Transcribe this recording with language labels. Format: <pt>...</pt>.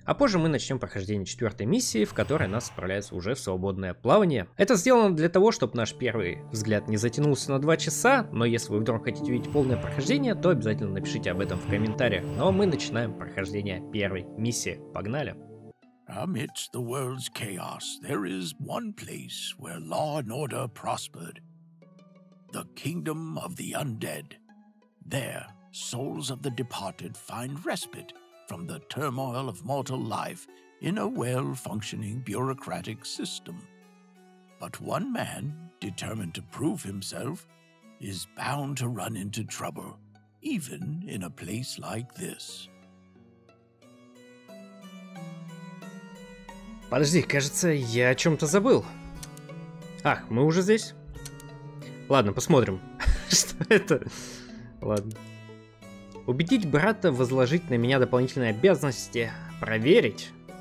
<ru>А позже мы начнем прохождение четвертой миссии, в которой нас отправляется уже в свободное плавание. Это сделано для того, чтобы наш первый взгляд не затянулся на 2 часа, но если вы вдруг хотите увидеть полное прохождение, то обязательно напишите об этом в комментариях. Ну а мы начинаем прохождение первой миссии. Погнали!</ru> <en>Amidst the world's chaos, there is one place where law and order prospered. The kingdom of the undead. There, souls of the departed find respite from the turmoil of mortal life in a well-functioning bureaucratic system. But one man, determined to prove himself, is bound to run into trouble, even in a place like this.</en> <ru>Подожди, кажется, я о чем-то забыл. Ах, мы уже здесь? Ладно, посмотрим. Что это? Ладно. Убедить брата возложить на меня дополнительные обязанности. Проверить.</ru>